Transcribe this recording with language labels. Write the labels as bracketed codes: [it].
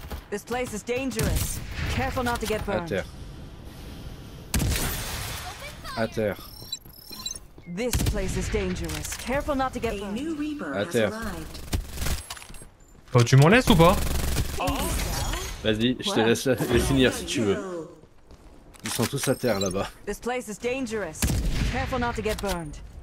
[en] This place is dangerous. Careful not to get burned. [fr] À terre. À terre. [en] This place is dangerous. Careful not to get burned. A new Reaper has arrived. [fr] Oh, tu m'en laisses ou pas? Vas-y, je te laisse les finir si tu veux. Ils sont tous à terre là-bas. [en] This place is dangerous. Careful not to get burned.